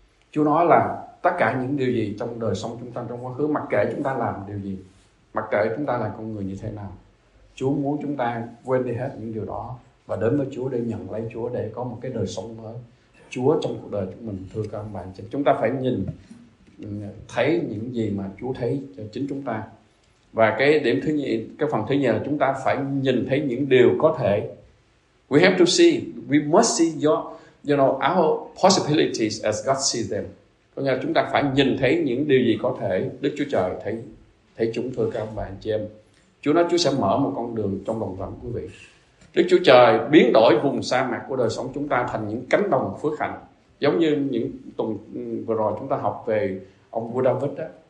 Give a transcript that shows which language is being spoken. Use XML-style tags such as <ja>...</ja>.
<vi>Chúa nói là tất cả những điều gì trong đời sống chúng ta trong quá khứ, mặc kệ chúng ta làm điều gì, mặc kệ chúng ta là con người như thế nào, Chúa muốn chúng ta quên đi hết những điều đó và đến với Chúa để nhận lấy Chúa, để có một cái đời sống mới. Chúa trong cuộc đời chúng mình, thưa các bạn, chúng ta phải nhìn thấy những gì mà Chúa thấy cho chính chúng ta. Và cái điểm thứ nhì, cái phần thứ nhì là chúng ta phải nhìn thấy những điều có thể.</vi> <en>We have to see, we must see our possibilities as God sees them.</en> <vi>Có nghĩa là chúng ta phải nhìn thấy những điều gì có thể Đức Chúa Trời thấy chúng, thưa các bạn chị em. Chúa nói Chúa sẽ mở một con đường trong đồng vắng, quý vị. Đức Chúa Trời biến đổi vùng sa mạc của đời sống chúng ta thành những cánh đồng phước hạnh, giống như những tuần vừa rồi chúng ta học về ông vua David đó.</vi>